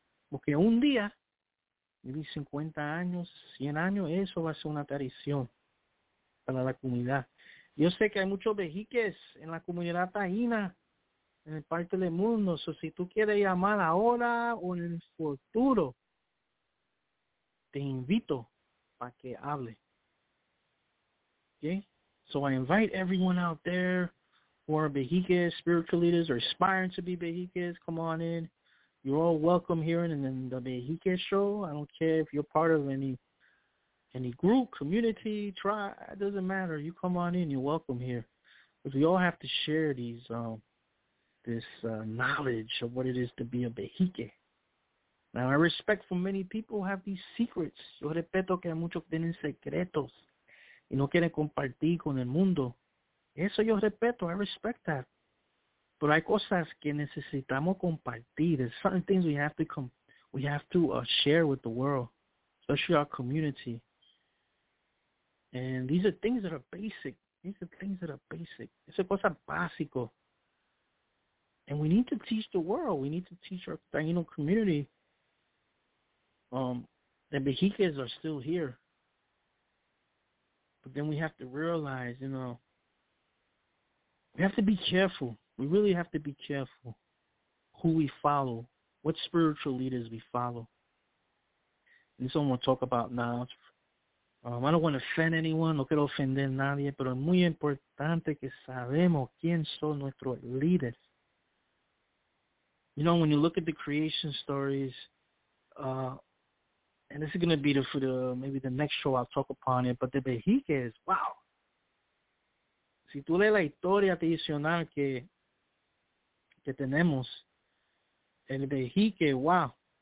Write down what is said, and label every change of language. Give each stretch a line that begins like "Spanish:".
Spanish: Porque un día,
English: maybe
Spanish: 50 años, 100 años, eso va a ser una tradición para la comunidad. Yo sé que hay muchos vejiques en la comunidad taína, en el parte del mundo, o sea, si tú quieres llamar ahora o en el futuro, te invito para que hable.
English: Okay? So I invite everyone out there who are vejiques, spiritual leaders, or aspiring to be vejiques, come on in. You're all welcome here in the Vejique Show. I don't care if you're part of any group, community, tribe, it doesn't matter. You come on in, you're welcome here. Because we all have to share these knowledge of what it is to be a vejique. Now, I respect for many people who have these secrets.
Spanish: Yo respeto que muchos tienen secretos y no quieren compartir con el mundo. Eso yo respeto.
English: I respect that.
Spanish: Pero hay cosas que necesitamos compartir.
English: There's certain things we have to share with the world, especially our community. And these are things that are basic.
Spanish: Eso es cosa básico.
English: And we need to teach the world. We need to teach our Taino community. The Vejiques are still here. But then we have to realize, you know, we have to be careful. We really have to be careful who we follow, what spiritual leaders we follow. And this is what I want to talk about now. I don't want to offend anyone.
Spanish: No quiero ofender a nadie. Pero es muy importante que sabemos quién son nuestros líderes.
English: You know, when you look at the creation stories, and this is going to be for the next show I'll talk upon it, but the Vejiques, wow.
Spanish: Si tú lees la historia tradicional que tenemos, el Vejique, wow.